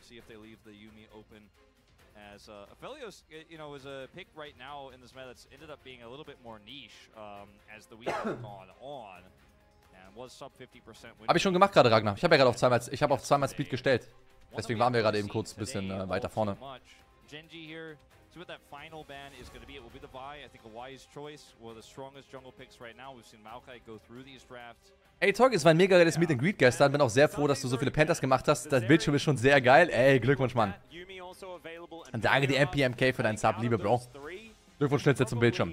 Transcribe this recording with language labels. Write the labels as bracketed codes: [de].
[en] We'll see if they leave the Yumi open. As Aphelios, you know, is a pick right now in this meta that's ended up being a little bit more niche as the week has gone on. And was sub 50%. [de] Habe ich schon gemacht gerade, Ragnar. Ich habe ja gerade auf zweimal, ich habe auf zweimal Speed gestellt. Deswegen waren wir gerade eben kurz ein bisschen weiter vorne. Genji hier. [en] So what that final ban is going to be, it will be the Vi. I think a wise choice. One of the strongest jungle picks right now. We've seen Maokai go through these drafts. [de] Ey, Talk, es war ein mega geiles Meet and Greet gestern. Bin auch sehr froh, dass du so viele Panthers gemacht hast. Das Bildschirm ist schon sehr geil. Ey, Glückwunsch, Mann. Und danke die MPMK für deinen Sub, liebe Bro. Glückwunsch, Schnitzel zum Bildschirm.